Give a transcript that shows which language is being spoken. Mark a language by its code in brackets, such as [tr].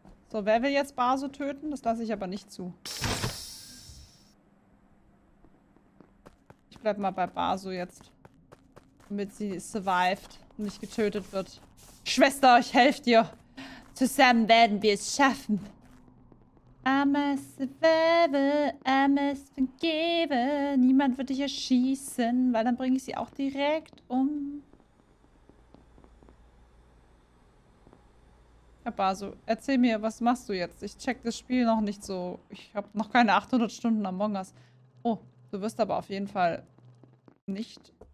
[de] So, wer will jetzt Basu töten? Das lasse ich aber nicht zu. Ich bleib mal bei Basu jetzt. Damit sie survived. Nicht getötet wird. Schwester, ich helf dir. Zusammen werden wir es schaffen. [en] I must survive, I must forgive. [de] Niemand wird dich erschießen, weil dann bringe ich sie auch direkt um. Herr Basu, erzähl mir, was machst du jetzt? Ich check das Spiel noch nicht so. Ich habe noch keine 800 Stunden Among Us. Oh, du wirst aber auf jeden Fall nicht...